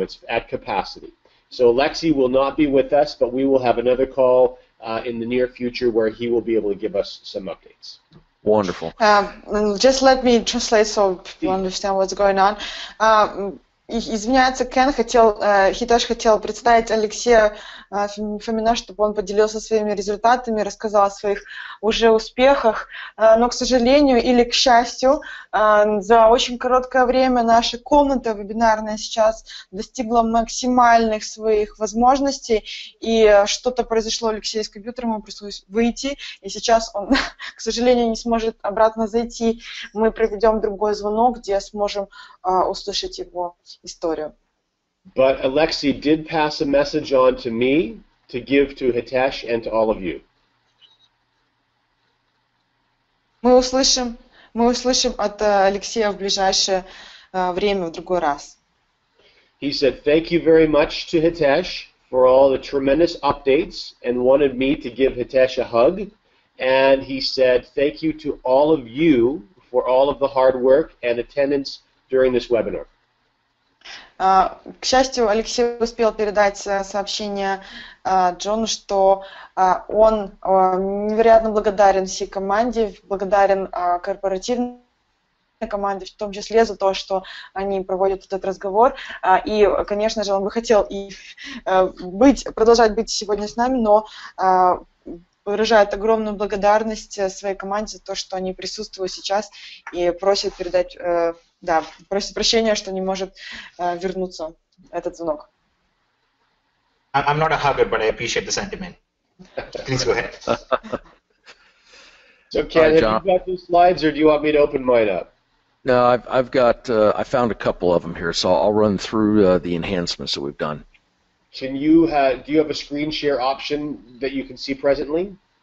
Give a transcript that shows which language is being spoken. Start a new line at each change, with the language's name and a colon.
English: It's at capacity. So Alexei will not be with us, but we will have another call in the near future where he will be able to give us some updates. Wonderful. Just let me translate so people understand what's going on.
Russian: Извиняется, Кен хотел, Хитош хотел представить Алексея Фомина, чтобы он поделился своими результатами, рассказал о своих уже успехах, но, к сожалению или к счастью, за очень короткое время наша комната вебинарная сейчас достигла максимальных своих возможностей, и что-то произошло, Алексей, с компьютером, ему пришлось выйти, и сейчас он, к сожалению, не сможет обратно зайти. Мы проведем другой звонок, где сможем услышать его историю.
English: But Alexei did pass a message on to me to give to Hitesh and to all of you.
Russian: Мы услышим от Алексея в ближайшее время, в другой раз.
English: He said, thank you very much to Hitesh for all the tremendous updates and wanted me to give Hitesh a hug. And he said, thank you to all of you for all of the hard work and attendance during this webinar.
Russian: К счастью, Алексей успел передать сообщение Джону, что он невероятно благодарен всей команде, благодарен корпоративной команде, в том числе за то, что они проводят этот разговор. И, конечно же, он бы хотел и продолжать быть сегодня с нами, но выражает огромную благодарность своей команде за то, что они присутствуют сейчас и просят передать... Да, просит прощения, что не может вернуться этот звонок.
English: I'm not a hugger, but I appreciate the sentiment. Please go ahead. So, Ken, have you got the slides, or do you want me to open mine up? No, I've got, I found a couple of them here, so I'll run through the enhancements that we've done. Can you do you have a screen share option that you can see presently?